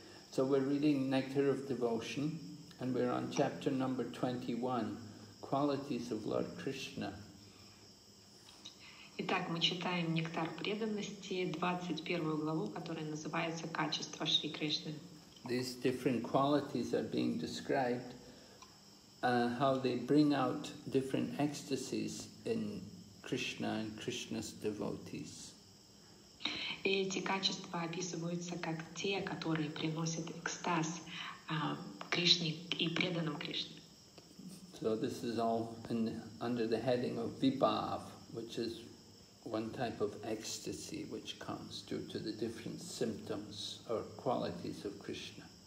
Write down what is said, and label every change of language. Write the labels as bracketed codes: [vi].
[en] So we're reading Nectar of Devotion, and we're on chapter number 21, Qualities of Lord Krishna. [ru] Итак, мы читаем «Нектар преданности», 21 главу, которая называется «Качество Шри Кришны». [en] These different qualities are being described, how they bring out different ecstasies in Krishna and Krishna's devotees. [ru] И эти качества описываются как те, которые приносят экстаз Кришне и преданным Кришне. [en] So this is all in, under the heading of Vibhav, which is one type of ecstasy which comes due to the different symptoms or qualities of Krishna.